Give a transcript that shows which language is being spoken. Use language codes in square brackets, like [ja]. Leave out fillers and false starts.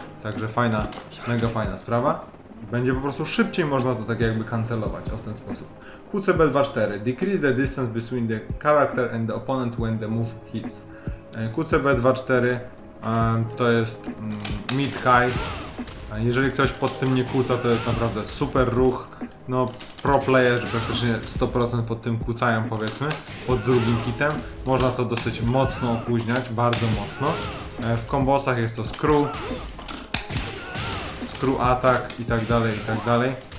[pl] Także fajna, mega fajna sprawa. Będzie po prostu szybciej można to tak jakby cancelować, o w ten sposób. QCB 2-4. [en] Decrease the distance between the character and the opponent when the move hits. [pl] QCB 2-4 to jest mid-high. Jeżeli ktoś pod tym nie kłóca, to jest naprawdę super ruch. No, pro player praktycznie 100% pod tym kłócają, powiedzmy, pod drugim hitem. Można to dosyć mocno opóźniać, bardzo mocno. W kombosach jest to screw atak i tak dalej, i tak dalej.